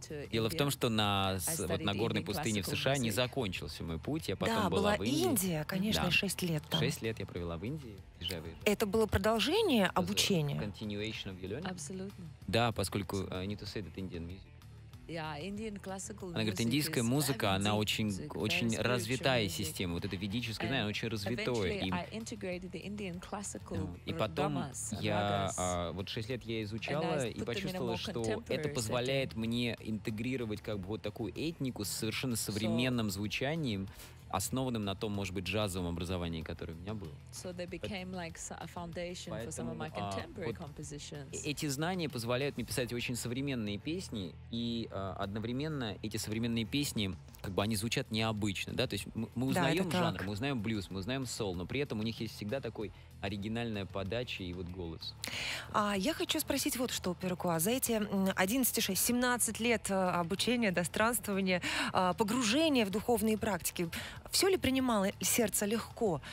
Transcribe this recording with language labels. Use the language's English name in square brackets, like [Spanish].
[Russian] Дело в том, что на горной пустыне в США не закончился мой путь. Я потом была в Индии. Индия, конечно, 6 лет там. 6 лет я провела в Индии. Это было продолжение обучения? [English] Continuation of your learning? [Russian] Абсолютно. Да, поскольку [English] I need to say that Indian music. Yeah, [Russian] она говорит, индийская музыка, она очень развитая система, вот эта ведическая, знаешь, она очень развитая. И потом я, вот 6 лет я изучала и почувствовала, что это позволяет мне интегрировать как бы вот такую этнику с совершенно современным звучанием, основанным на том, может быть, джазовом образовании, которое у меня было. [English] So they became like a foundation for some of my contemporary compositions. [Russian] Эти знания позволяют мне писать очень современные песни, и одновременно эти современные песни, как бы они звучат необычно, да, то есть мы узнаем жанр, мы узнаем блюз, мы узнаем сол, но при этом у них есть всегда такой оригинальная подача и вот голос. Я хочу спросить вот что, Перукуа, за эти 17 лет обучения, да, странствования, погружения в духовные практики, все ли принимало сердце легко?